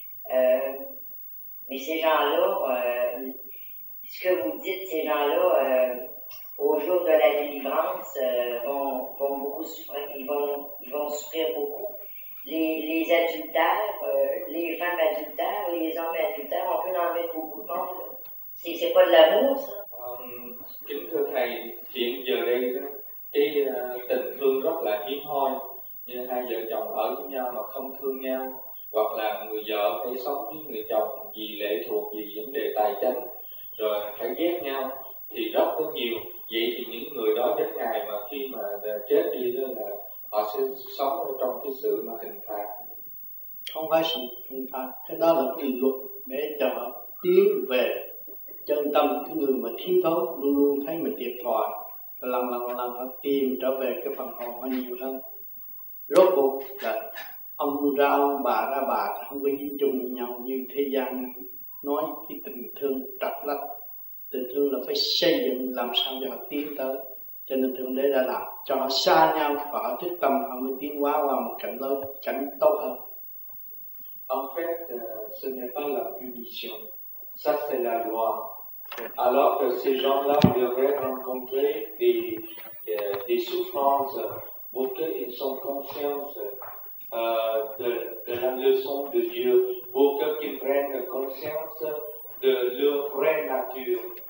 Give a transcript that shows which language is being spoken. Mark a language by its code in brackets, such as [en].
[fr] Mais ces gens-là... Ce que vous dites, ces gens-là, au jour de la délivrance, vont beaucoup souffrir, ils vont souffrir beaucoup. les adultères, les femmes adultères, les hommes adultères, on peut en mettre beaucoup de monde. C'est pas de l'amour, ça? [vi] Kính thưa thầy, hiện giờ đây cái tình thương rất là hiếm hoi, như hai vợ chồng ở với nhau mà không thương nhau, hoặc là người vợ phải sống với người chồng vì lệ thuộc, vì vấn đề tài chính, rồi phải ghét nhau thì rất có nhiều. Vậy thì những người đó đến ngày mà khi mà chết đi đó là họ sẽ sống ở trong cái sự mà hình phạt. Không phải sự hình phạt, cái đó là quy luật để cho tiến về chân tâm. Cái người mà thiếu thốn luôn luôn thấy mình thiệt thòi, lần họ tìm trở về cái phần hồn họ nhiều hơn. Rốt cuộc là ông ra ông, bà ra bà, không có dính chung với nhau như thế gian nói cái tình thương trật lách. Tình thương là phải xây dựng làm sao cho họ tiến tới, cho nên Thượng Đế đã làm cho họ xa nhau và họ thức tâm, họ mới tiến hóa qua một cảnh lớn, cảnh tốt hơn. [fr] En fait, ce n'est pas la punition, ça c'est la loi. Alors que ces gens-là devraient rencontrer des souffrances pour qu'ils soient conscients de la leçon de Dieu, pour qu'ils prennent conscience de leur vraie nature.